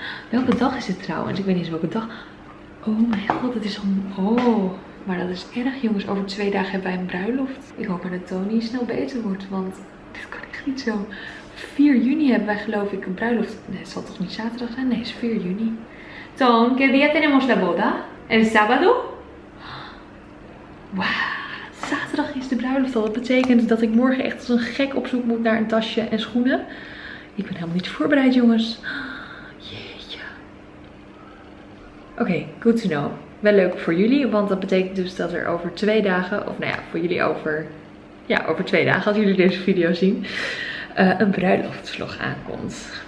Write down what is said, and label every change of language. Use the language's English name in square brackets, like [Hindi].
[Dutch] Welke dag is het trouwens? Ik weet niet eens welke dag. Oh mijn god, het is al... Oh... Maar dat is erg, jongens. Over 2 dagen hebben wij een bruiloft. Ik hoop maar dat Tony snel beter wordt, want dit kan echt niet zo. 4 juni hebben wij geloof ik een bruiloft. Nee, het zal toch niet zaterdag zijn? Nee, het is 4 juni. [Spanish] Ton, ¿qué día tenemos la boda? ¿El sábado? Wauw. [Dutch] Zaterdag is de bruiloft al. Dat betekent dat ik morgen echt als een gek op zoek moet naar een tasje en schoenen. Ik ben helemaal niet voorbereid, jongens. Jeetje. Oké, [English] good to know. [Dutch] Wel leuk voor jullie, want dat betekent dus dat er over 2 dagen, of nou ja, voor jullie over, ja, over 2 dagen als jullie deze video zien, een bruiloftsvlog aankomt.